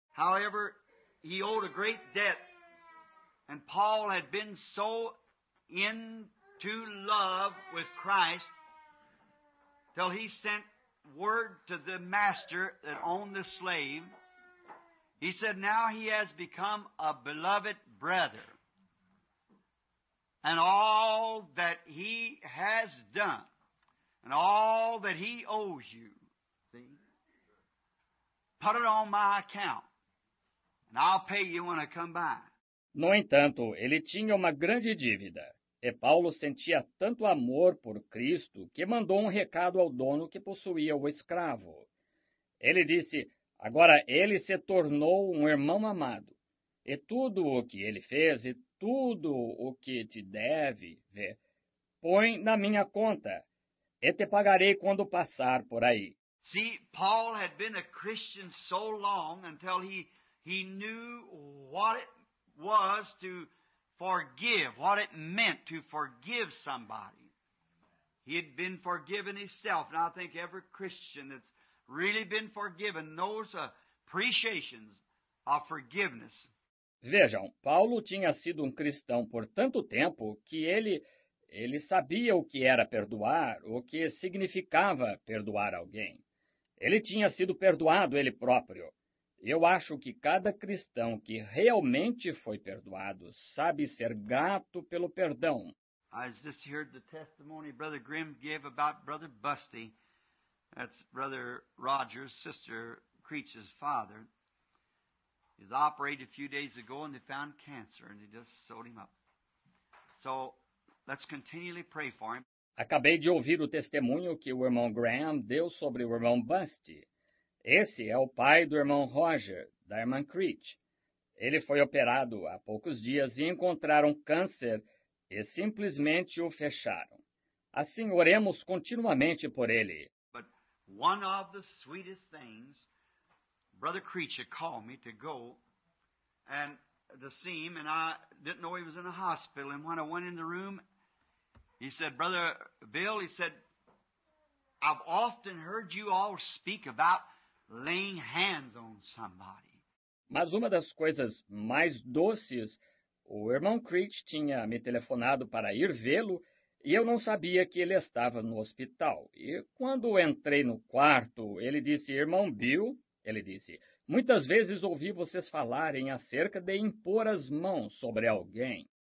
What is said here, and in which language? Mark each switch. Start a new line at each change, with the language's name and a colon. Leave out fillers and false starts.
English: However, he owed a great debt. And Paul had been so into love with Christ till he sent word to the master that owned the slave. He said, now he has become a beloved brother. And all that he has done, and all that he owes you, see, put it on my account, and I'll pay you when I come by.
Portuguese: No entanto, ele tinha uma grande dívida. E Paulo sentia tanto amor por Cristo que mandou um recado ao dono que possuía o escravo. Ele disse... Agora, ele se tornou um irmão amado, e tudo o que ele fez, e tudo o que te deve ver, põe na minha conta, e te pagarei quando passar por aí.
English: See, Paul had been a Christian so long until he knew what it was to forgive, what it meant to forgive somebody. He had been forgiven himself, and I think every Christian that's really been forgiven knows appreciations of forgiveness.
Portuguese: Vejam, Paulo tinha sido um cristão por tanto tempo que ele sabia o que era perdoar, o que significava perdoar alguém. Ele tinha sido perdoado ele próprio. Eu acho que cada cristão que realmente foi perdoado sabe ser grato pelo perdão.
English: I just heard the testimony Brother Grimm gave about Brother Busty. That's Brother Rogers, Sister Creech's father. He was operated a few days ago and they found cancer and they just sewed him up. So, let's continually pray for him.
Portuguese: Acabei de ouvir o testemunho que o irmão Graham deu sobre o irmão Busty. Esse é o pai do irmão Roger, da irmã Creech. Ele foi operado há poucos dias e encontraram câncer e simplesmente o fecharam. Assim, oremos continuamente por ele.
English: One of the sweetest things, Brother Creech called me to go and to see him, and I didn't know he was in the hospital. And when I went in the room, he said, Brother Bill, he said, I've often heard you all speak about laying hands on somebody.
Portuguese: Mas uma das coisas mais doces, o irmão Creech tinha me telefonado para ir vê-lo, E eu não sabia que ele estava no hospital. E quando entrei no quarto, ele disse, irmão Bill, ele disse, muitas vezes ouvi vocês falarem acerca de impor as mãos sobre alguém.